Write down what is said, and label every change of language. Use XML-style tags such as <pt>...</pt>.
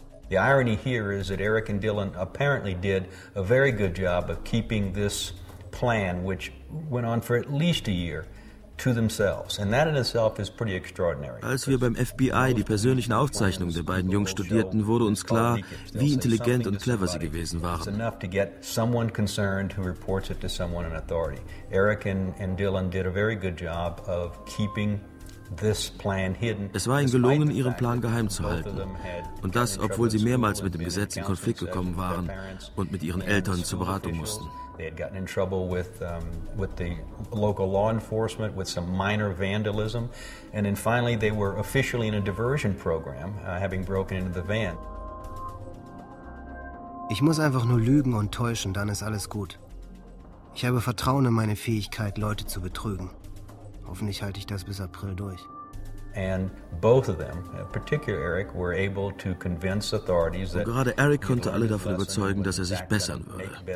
<en>The irony here is that Eric and Dylan apparently did a very good job of keeping this plan, which went on for at least a year, to themselves. And that in itself is pretty extraordinary.</en> <de>Als wir beim FBI die persönlichen Aufzeichnungen der beiden Jungs studierten, wurde uns klar, wie intelligent und clever sie gewesen waren.</de> <en>It's enough to get someone concerned who reports it to someone in authority. Eric and Dylan did a very good job of keeping this plan hidden.</en> <de>Es war ihnen gelungen, ihren Plan geheim zu halten. Und das, obwohl sie mehrmals mit dem Gesetz in Konflikt gekommen waren und mit ihren Eltern zur Beratung mussten.</de> <en>They had gotten in trouble with the local law enforcement, with some minor vandalism. And then finally they were officially in a diversion program, having broken into the van.</en> <de>Ich muss einfach nur lügen und täuschen, dann ist alles gut. Ich habe Vertrauen in meine Fähigkeit, Leute zu betrügen. Hoffentlich halte ich das bis April durch.</de> <en>And both of them, particularly Eric, were able to convince authorities that.</en> <de>Und gerade Eric konnte alle davon überzeugen, dass er sich bessern würde.</de>